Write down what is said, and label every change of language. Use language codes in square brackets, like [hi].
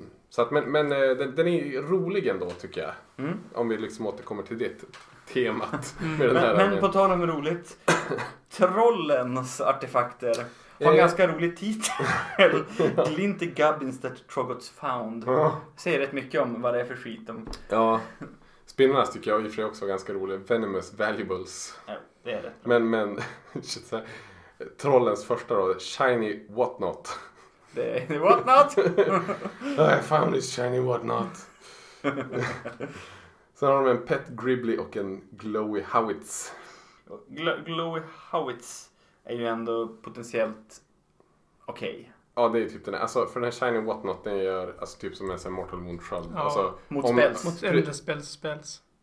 [sv] Så att, men den är rolig ändå tycker jag. Mm. Om vi liksom återkommer till det temat. Med den här men på tal om roligt. Trollens artefakter har en ganska rolig titel. [en] Glint the Gubbins that Trogoths found. [sv] Ja. Säger rätt mycket om vad det är för skit. Ja. Spinnarnas tycker jag i och för sig också ganska rolig. [en] Venomous Valuables. [sv] Ja, det är det. Men Trollens första då. Shiny Whatnot. Det är Whatnot. [en] I found this shiny Whatnot. [sv] Sen har de en Pet Gribbly och en Glowy Howitz. Glowy Howitz är ju ändå potentiellt okej. Okay. Ja, det är typ den. Alltså, för den här Shiny Whatnot, den gör alltså, typ som en sån Mortal Wound Shroud. Ja, alltså, mot spells.